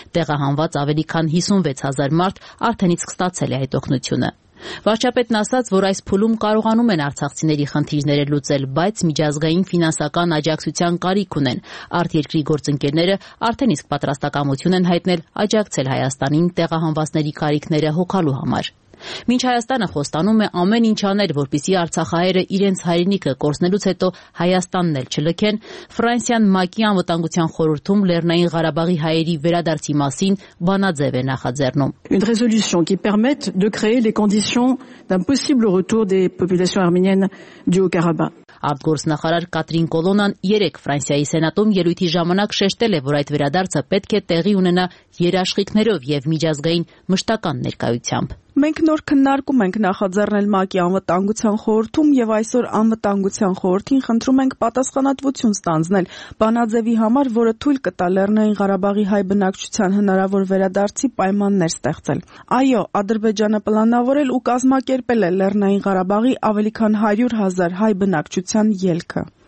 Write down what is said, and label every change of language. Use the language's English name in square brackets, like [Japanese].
[Armenian] Տեղահանված ավելի քան 56,000 մարդ արդենից կստացել է այդ օգնությունը։ Վարչապետն ասաց, որ այս փուլում կարողանում են արցախցիների խնդիրները լուծել, բայց միջազգային ֆինանսական աջակցության կարիք ունեն։ Արտերկրի գործընկերները արդեն իսկ պատրաստակամություն են հայտնել աջակցել Հայաստանին տեղահանվածների կարիքները հոգալու համար։ Մինչ Հայաստանը խոստանում է ամեն ինչ անել, որպեսզի արցախահայերը իրենց հայրենիքը կորցնելուց հետո Հայաստանն էլ չլքեն, Ֆրանսիան ՄԱԿ-ի անվտանգության խորհրդում Լեռնային Ղարաբաղի հայերի վերադարձի մասին բանաձև է նախաձեռնում։ [French] Une résolution qui permette de créer les conditions d'un possible retour des populations arméniennes du Haut-Karabakh։ [Armenian] Արտգործնախարար Կատրին Կոլոնան 3 Ֆրանսիայի սենատում ելույթի ժամանակ շեշտել է, որ այդ վերադարձը պետք է տեղի ունենա երաշխիքներով եւ միջազգային մշտական ներկայությամբ։ Մենք նոր քննարկում ենք նախաձեռնել ՄԱԿ-ի անվտանգության խորհրդում եւ այսօր անվտանգության խորհրդին խնդրում ենք պատասխանատվություն ստանձնել բանաձևի համար, որը թույլ կտա Լեռնային Ղարաբաղի հայ բնակչության հնարավոր վերադարձի պայմաններ ստեղծել։ Այո, Ադրբեջանը պլանավորել ու կազմակերպել է Լեռնային Ղարաբաղի ավելի քան 100,000 հայ բնակչության ելքը։